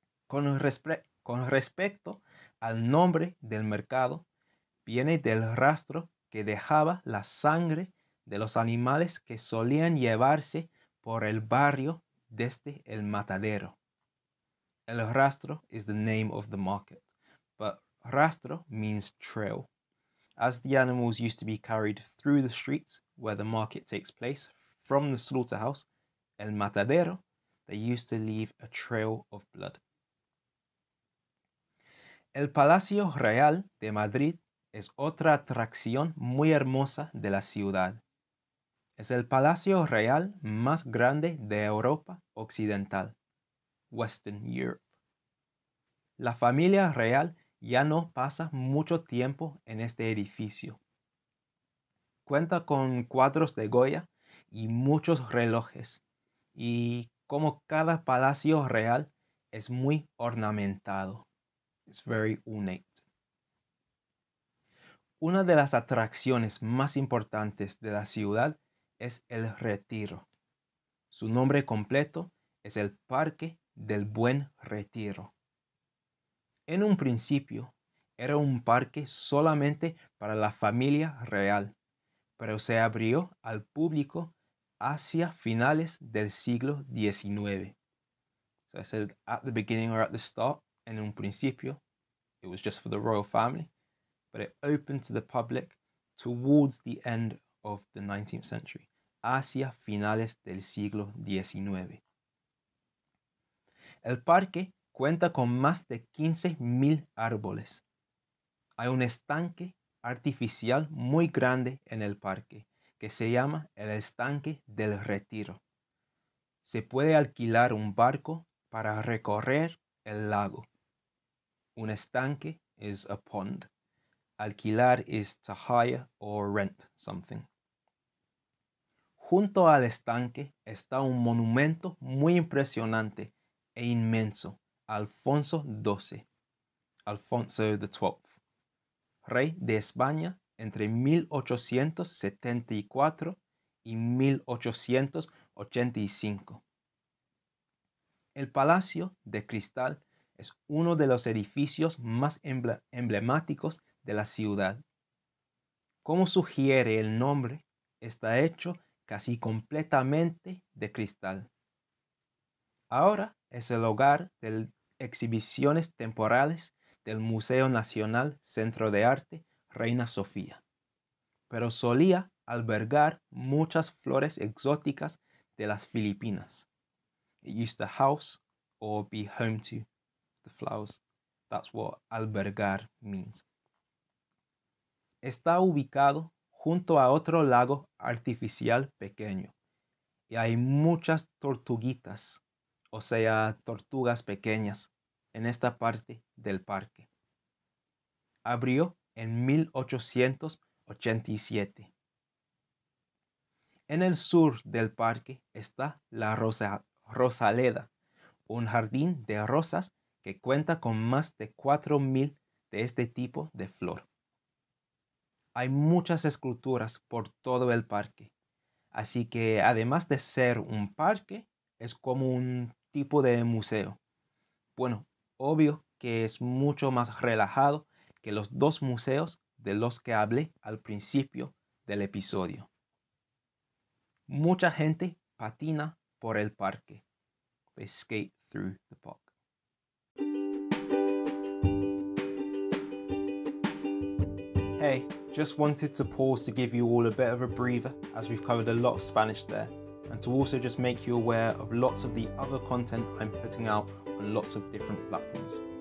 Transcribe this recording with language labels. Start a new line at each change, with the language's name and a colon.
Spanish: Con respecto al nombre del mercado, viene del rastro que dejaba la sangre de los animales que solían llevarse por el barrio desde el matadero.
English: El rastro is the name of the market, but rastro means trail, as the animals used to be carried through the streets where the market takes place from the slaughterhouse, el matadero, they used to leave a trail of blood.
Spanish: El Palacio Real de Madrid es otra atracción muy hermosa de la ciudad. Es el Palacio Real más grande de Europa Occidental,
English: Western Europe.
Spanish: La familia real ya no pasa mucho tiempo en este edificio. Cuenta con cuadros de Goya y muchos relojes. Y como cada palacio real es muy ornamentado.
English: It's very ornate.
Spanish: Una de las atracciones más importantes de la ciudad es el Retiro. Su nombre completo es el Parque del Buen Retiro. En un principio, era un parque solamente para la familia real, pero se abrió al público hacia finales del siglo XIX.
English: So I said at the beginning or at the start,
Spanish: en un principio,
English: it was just for the royal family, but it opened to the public towards the end of the 19th century,
Spanish: hacia finales del siglo XIX. El parque cuenta con más de 15.000 árboles. Hay un estanque artificial muy grande en el parque que se llama el Estanque del Retiro. Se puede alquilar un barco para recorrer el lago.
English: Un estanque is a pond. Alquilar is to hire or rent something.
Spanish: Junto al estanque está un monumento muy impresionante e inmenso. Alfonso XII, Alfonso XII, rey de España entre 1874 y 1885. El Palacio de Cristal es uno de los edificios más emblemáticos de la ciudad. Como sugiere el nombre, está hecho casi completamente de cristal. Ahora es el hogar del exhibiciones temporales del Museo Nacional Centro de Arte Reina Sofía, pero solía albergar muchas flores exóticas de las Filipinas.
English: It used to house or be home to the flowers. That's what albergar means.
Spanish: Está ubicado junto a otro lago artificial pequeño. Y hay muchas tortuguitas, o sea, tortugas pequeñas, en esta parte del parque. Abrió en 1887. En el sur del parque está la Rosaleda, un jardín de rosas que cuenta con más de 4,000 de este tipo de flor. Hay muchas esculturas por todo el parque. Así que, además de ser un parque, es como un tipo de museo. Bueno, obvio que es mucho más relajado que los dos museos de los que hablé al principio del episodio. Mucha gente patina por el parque.
English: They skate through the park. Hey, just wanted to pause to give you all a bit of a breather as we've covered a lot of Spanish there, and to also just make you aware of lots of the other content I'm putting out on lots of different platforms.